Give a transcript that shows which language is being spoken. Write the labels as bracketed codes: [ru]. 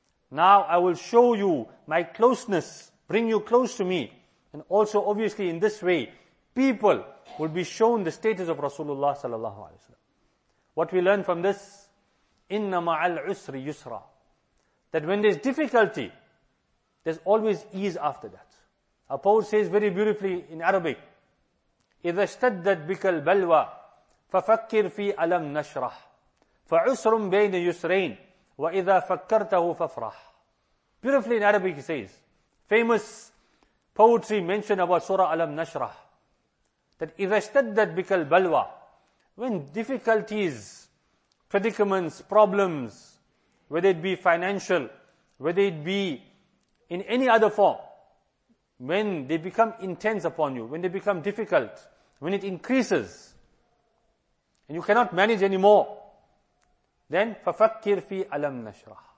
[en] Now I will show you my closeness. Bring you close to me. And also obviously in this way, people will be shown the status of Rasulullah sallallahu alayhi wa sallam. What we learn from this, [ar] إِنَّ مَعَ الْعُسْرِ يُسْرًا, [en] that when there's difficulty, there's always ease after that. A poet says very beautifully in Arabic, [ar] إِذَا اشْتَدَّتْ بِكَ الْبَلْوَى فَفَكِّرْ فِي أَلَمْ نَشْرَحْ فَعُسْرٌ بَيْنَ يُسْرَيْنِ وَإِذَا فَكَّرْتَهُ فَفْرَحْ. [en] Beautifully in Arabic he says, famous poetry mentioned about Surah Alam Nashrah, that [ar] إِذَا اشْتَدَّتْ بِكَ الْبَلْوَى, [en] when difficulties, predicaments, problems, whether it be financial, whether it be in any other form, when they become intense upon you, when they become difficult, when it increases, and you cannot manage anymore, then [ar] فَفَكِّرْ فِي أَلَمْ نَشْرَحْ.